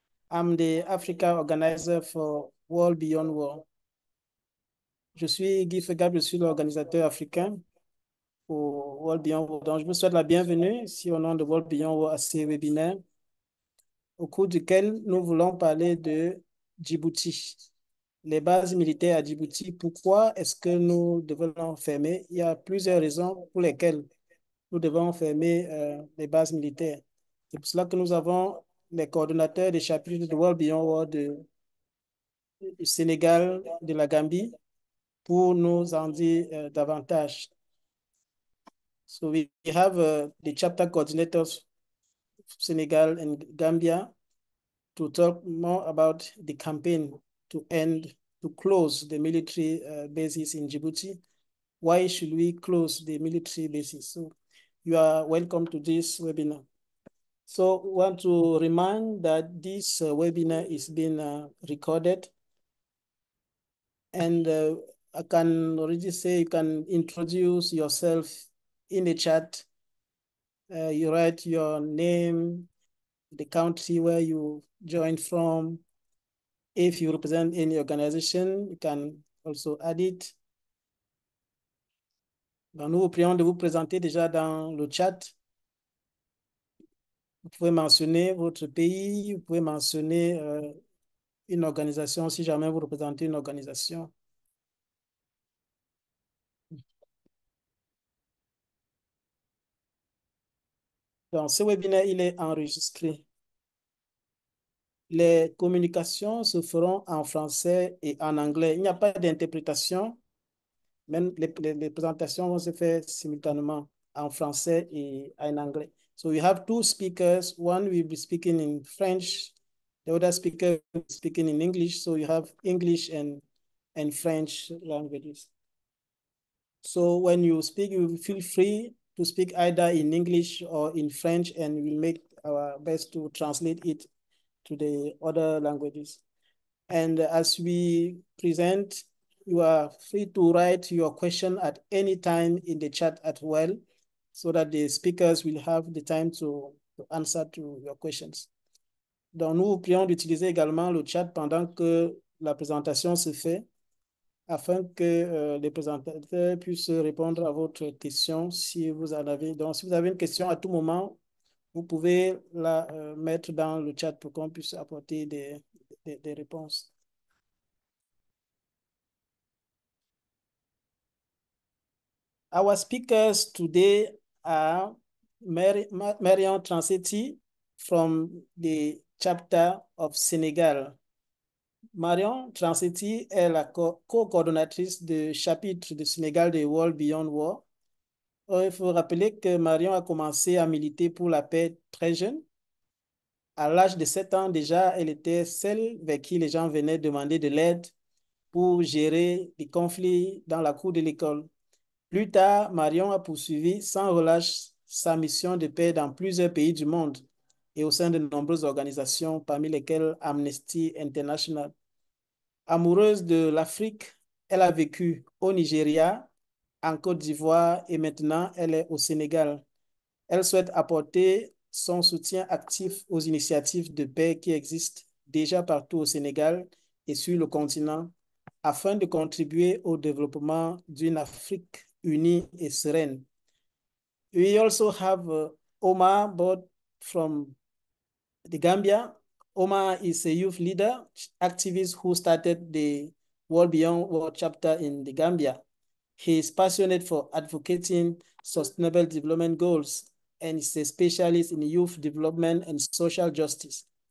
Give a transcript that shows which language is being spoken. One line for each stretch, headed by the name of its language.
English: I'm the Africa organizer for World Beyond War.
French: Je suis Guy Fugap, je suis l'organisateur africain pour World Beyond War. Donc, je vous souhaite la bienvenue ici au nom de World Beyond War à ce webinaire au cours duquel nous voulons parler de Djibouti. Les bases militaires à Djibouti, pourquoi est-ce que nous devons fermer? Il y a plusieurs raisons pour lesquelles nous devons fermer les bases militaires. C'est pour cela que nous avons les coordonnateurs des chapitres de World Beyond War du Sénégal, de la Gambie, pour nous en dire davantage.
English: So we have the chapter coordinators Sénégal and Gambia to talk more about the campaign to end, to close the military bases in Djibouti. Why should we close the military bases? So you are welcome to this webinar. So we want to remind that this webinar is being recorded. And I can already say you can introduce yourself in the chat. You write your name, the country where you joined from. If you represent any organization, you can also add it.
French: Nous vous prions de vous présenter déjà dans le chat. Vous pouvez mentionner votre pays, vous pouvez mentionner une organisation si jamais vous représentez une organisation. Donc, ce webinaire, il est enregistré. Les communications se feront en français et en anglais. Il n'y a pas d'interprétation, même les présentations vont se faire simultanément en français et en anglais.
English: So we have two speakers. One will be speaking in French. The other speaker will be speaking in English. So you have English and French languages. So when you speak, you feel free to speak either in English or in French, and we'll make our best to translate it to the other languages. And as we present, you are free to write your question at any time in the chat as well, so that the speakers will have the time to answer to your questions.
French: Donc, nous vous prions d'utiliser également le chat pendant que la présentation se fait, afin que les présentateurs puissent répondre à votre question si vous en avez. Donc, si vous avez une question à tout moment, vous pouvez la mettre dans le chat pour qu'on puisse apporter des réponses.
English: Our speakers today are Marion Transetti from the chapter of Senegal.
French: Marion Transetti est la co-coordonnatrice du chapitre de Sénégal de World Beyond War. Il faut rappeler que Marion a commencé à militer pour la paix très jeune. À l'âge de 7 ans déjà, elle était celle vers qui les gens venaient demander de l'aide pour gérer les conflits dans la cour de l'école. Plus tard, Marion a poursuivi sans relâche sa mission de paix dans plusieurs pays du monde et au sein de nombreuses organisations, parmi lesquelles Amnesty International. Amoureuse de l'Afrique, elle a vécu au Nigeria, en Côte d'Ivoire et maintenant elle est au Sénégal. Elle souhaite apporter son soutien actif aux initiatives de paix qui existent déjà partout au Sénégal et sur le continent afin de contribuer au développement d'une Afrique unie et sereine.
English: We also have Omar Bod from the Gambia. Omar is a youth leader, activist who started the World Beyond War chapter in the Gambia. He is passionate for advocating sustainable development goals and is a specialist in youth development and social justice.